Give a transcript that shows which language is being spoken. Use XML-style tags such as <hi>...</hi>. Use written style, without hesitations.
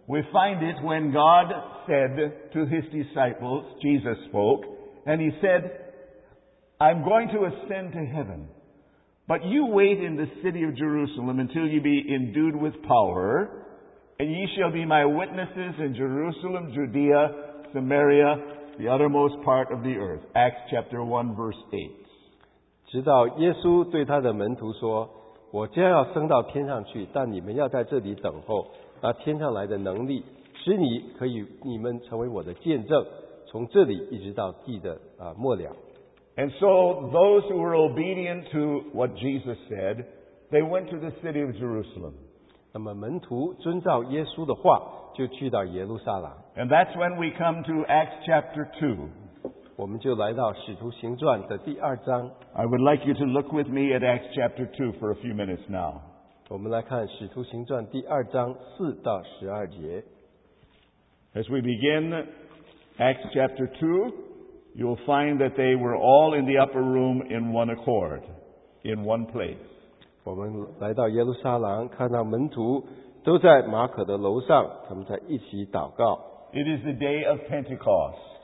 <en>We find it when God said to his disciples, Jesus spoke,And he said, I'm going to ascend to heaven, but you wait in the city of Jerusalem until you be endued with power, and ye shall be my witnesses in Jerusalem, Judea, Samaria, the uttermost part of the earth. Acts chapter 1 verse 8.</en> <zh>直到耶稣对他的门徒说，我将要升到天上去，但你们要在这里等候，那天上来的能力，使你可以你们成为我的见证。从这里一直到地的末了。</zh> <en>And so those who were obedient to what Jesus said, they went to the city of Jerusalem.</en> <zh>那么门徒遵照耶稣的话，就去到耶路撒冷。</zh> <en>And that's when we come to Acts chapter 2.</en> <zh>我们就来到使徒行传的第二章。</zh> <en>I would like you to look with me at Acts chapter 2 for a few minutes now.</en> <zh>我们来看使徒行传第二章四到十二节。</zh> <en>As we begin Acts chapter 2, you will find that they were all in the upper room in one accord, in one place.</en> <zh>我们来到耶路撒冷，看到门徒都在马可的楼上，他们在一起祷告。</zh> <en>It is the day of Pentecost.</en>